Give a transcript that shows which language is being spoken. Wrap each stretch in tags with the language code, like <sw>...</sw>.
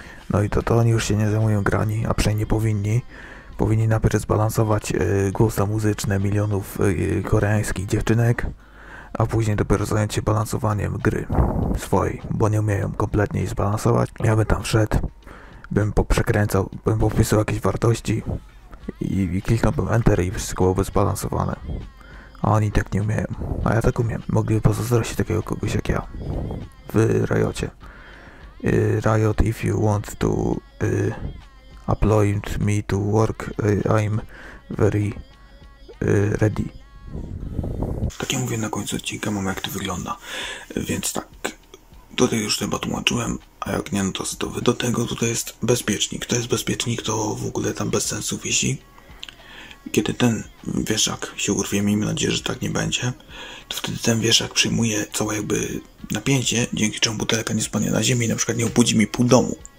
<pl>No i to oni już się nie zajmują grani, a przynajmniej powinni. Powinni najpierw zbalansować głosy muzyczne milionów koreańskich dziewczynek, a później dopiero zająć się balansowaniem gry swojej, bo nie umieją kompletnie jej zbalansować. Ja bym tam wszedł, bym poprzekręcał, bym popisał jakieś wartości i kliknąłbym Enter i wszystko byłoby zbalansowane. A oni tak nie umieją, a ja tak umiem. Mogliby pozazdrościć takiego kogoś jak ja. W Riocie.</pl> <en>Riot, if you want to appoint me to work, I'm very ready.</en> <pl>Tak jak mówię na końcu odcinka, mam jak to wygląda. Więc tak, tutaj już chyba tłumaczyłem, a jak nie, no to wy. Do tego tutaj jest bezpiecznik. To jest bezpiecznik, to w ogóle tam bez sensu wisi. Kiedy ten wieszak się urwie, miejmy nadzieję, że tak nie będzie, to wtedy ten wieszak przyjmuje całe jakby napięcie, dzięki czemu butelka nie spadnie na ziemię i na przykład nie obudzi mi pół domu.</pl>